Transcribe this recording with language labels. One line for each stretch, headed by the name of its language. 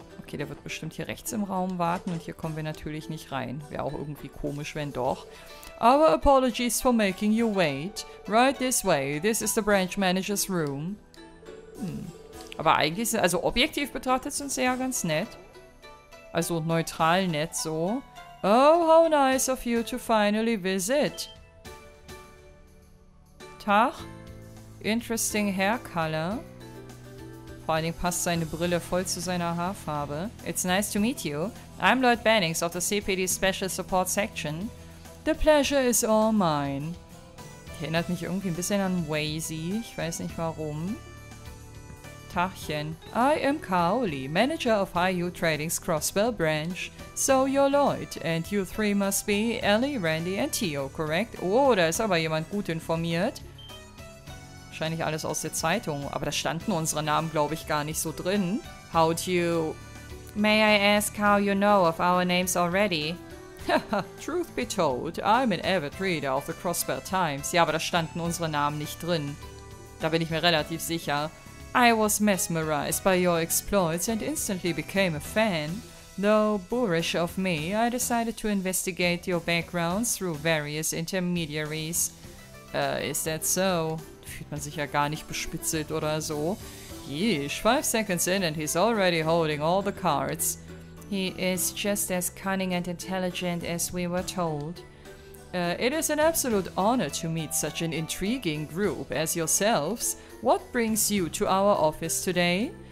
German: okay, der wird bestimmt hier rechts im Raum warten und hier kommen wir natürlich nicht rein. Wäre auch irgendwie komisch, wenn doch.
English: Our apologies for making you wait. Right this way. This is the branch manager's room.
German: Aber eigentlich, also objektiv betrachtet sind sie ja ganz nett. Also neutral nett so.
English: Oh, how nice of you to finally visit.
German: Tag.
English: Interesting hair color.
German: Vor allen Dingen passt seine Brille voll zu seiner Haarfarbe.
English: It's nice to meet you. I'm Lloyd Bannings of the CPD Special Support Section. The pleasure is all mine.
German: Die erinnert mich irgendwie ein bisschen an Wazy. Ich weiß nicht warum. Tachchen.
English: I am Kaoli, Manager of IU Trading's Crossbell Branch. So you're Lloyd, and you three must be Ellie, Randy and Theo, correct?
German: Oh, da ist aber jemand gut informiert. Wahrscheinlich alles aus der Zeitung, aber da standen unsere Namen, glaube ich, gar nicht so drin.
English: How do you... May I ask how you know of our names already? Truth be told, I'm an avid reader of the Crossbell Times.
German: Ja, aber da standen unsere Namen nicht drin. Da bin ich mir relativ sicher.
English: I was mesmerized by your exploits and instantly became a fan. Though boorish of me, I decided to investigate your background through various intermediaries. Is that so?
German: Fühlt man sich ja gar nicht bespitzelt oder so.
English: Yeesh, 5 seconds in and he's already holding all the cards. He is just as cunning and intelligent as we were told. It is an absolute honor to meet such an intriguing group as yourselves. What brings you to our office today?